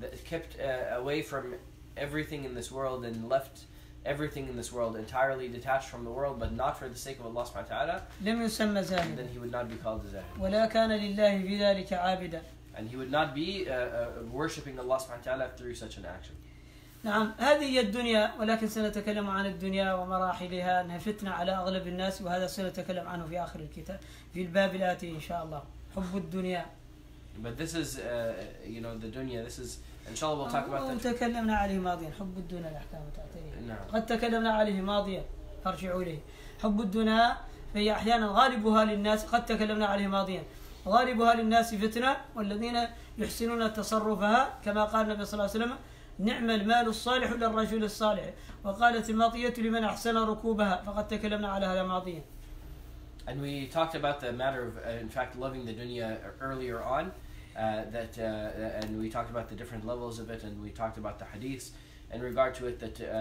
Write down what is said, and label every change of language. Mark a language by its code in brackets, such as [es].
[en] kept away from everything in this world and left everything in this world entirely detached from the world, but not for the sake of Allah subhanahu wa ta'ala, [ar] لم يسمى زاهدا. [en] Then he would not be called a zahid. [ar] ولا كان لله في ذلك عابدا. [en] And he would not be worshipping Allah subhanahu wa ta'ala through such an action. [ar] نعم هذه هي الدنيا ولكن سنتكلم عن الدنيا ومراحلها أنها فتنة على أغلب الناس وهذا سنتكلم عنه في آخر الكتاب في الباب الآتي إن شاء الله حب الدنيا. [en] But this is the dunya. This is inshallah we'll talk about that. [ar] تكلمنا عليه ماضيا حب الدنيا الأحكام تعطيه. نعم. قد تكلمنا عليه ماضيا فارجعوا إليه حب الدنيا فهي أحيانا غالبها للناس قد تكلمنا عليه ماضيا. غالبها للناس فتنة والذين يحسنون تصرفها كما قال النبي صلى الله عليه وسلم نعم المال الصالح للرجل الصالح وقالت الماضية لمن أحسن ركوبها فقد تكلمنا على هذا ماضيا. [en] And we talked about the matter of in fact loving the dunya earlier on and we talked about the different levels of it and we talked about the hadith in regard to it that